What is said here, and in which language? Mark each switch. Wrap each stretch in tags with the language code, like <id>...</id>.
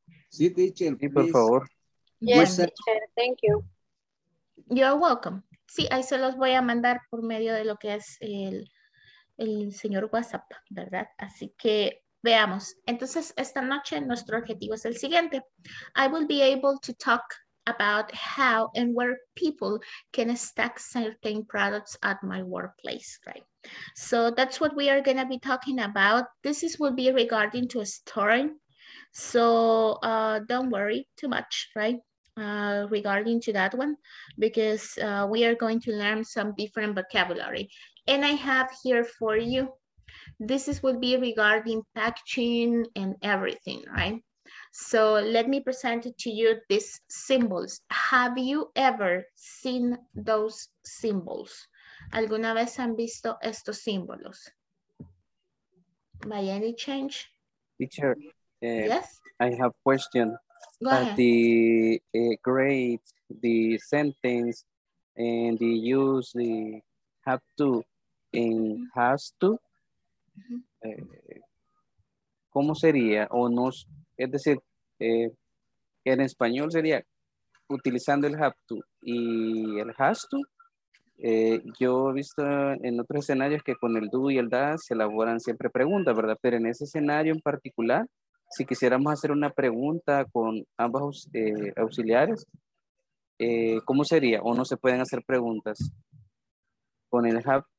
<es>Sí,</es> <en>teacher, please.</en> <es>Por favor.</es> <en>Yes, teacher, thank you. You're welcome.</en> <es>Sí, ahí se los voy a mandar por medio de lo que es el señor WhatsApp, ¿verdad? Así que veamos. Entonces, esta noche nuestro objetivo es el siguiente.</es> <en>I will be able to talk about how and where people can stack certain products at my workplace, right? So that's what we are going to be talking about. This is will be regarding to a storing. So don't worry too much, right? Regarding to that one, because we are going to learn some different vocabulary. And I have here for you, this is will be regarding packaging and everything, right? So let me present it to you, these symbols. Have you ever seen those symbols?</en> <es>¿Alguna vez han visto estos símbolos?</es> <en>By any change? Teacher. Yes? I have question. Go ahead. The grade, the sentence, and the use, the have to and has to.</en> <es>¿Cómo sería? O nos, es decir, en español sería utilizando el have to y el has to. Yo he visto en otros escenarios que con el do y el does se elaboran siempre preguntas, ¿verdad? Pero en ese escenario en particular, si quisiéramos hacer una pregunta con ambos auxiliares, ¿cómo sería? ¿O no se pueden hacer preguntas con el have</es>